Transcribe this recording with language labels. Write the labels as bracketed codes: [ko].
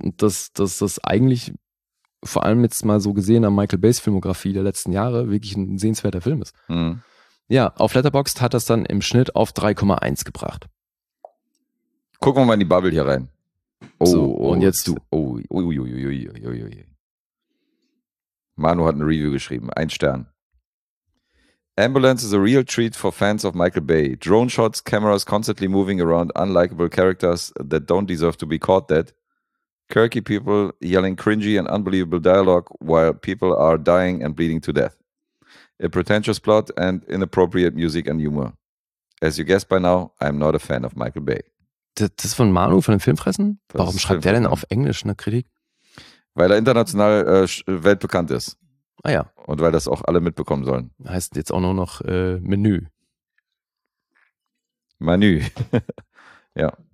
[de] Und dass das eigentlich, vor allem jetzt mal so gesehen an Michael Bays Filmografie der letzten Jahre, wirklich ein sehenswerter Film ist. Mhm. Ja, auf Letterboxd hat das dann im Schnitt auf 3,1 gebracht. Gucken wir mal in die Bubble hier rein. Oh, so, und jetzt du. Oh, ui. Manu hat eine Review geschrieben. 1 Stern. [en] Ambulance is a real treat for fans of Michael Bay. Drone shots, cameras constantly moving around, unlikable characters that don't deserve to be caught dead. Quirky people yelling cringy and unbelievable dialogue while people are dying and bleeding to death. A pretentious plot and inappropriate music and humor. As you guessed by now, I'm not a fan of Michael Bay. [de] Das ist von Manu, von den Filmfressen? Warum schreibt der denn auf Englisch eine Kritik? Weil er international weltbekannt ist. Ah ja. Und weil das auch alle mitbekommen sollen. Heißt jetzt auch nur noch Menü. Manu. Ja.